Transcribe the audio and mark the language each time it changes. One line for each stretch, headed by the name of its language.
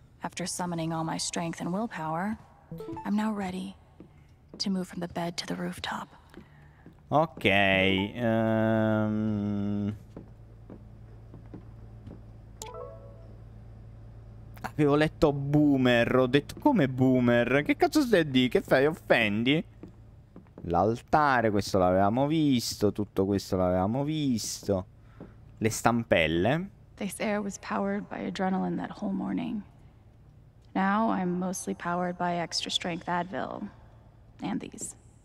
English: After summoning all my strength and willpower, I'm now ready to move from the bed to the rooftop.
Italian: Ok, avevo letto boomer, ho detto come boomer? Che cazzo stai a dire? Che fai, offendi? L'altare, questo l'avevamo visto, tutto questo l'avevamo visto. Le stampelle.
English: They say I was powered by adrenaline that whole morning. Now I'm mostly powered by extra strength Advil. And these.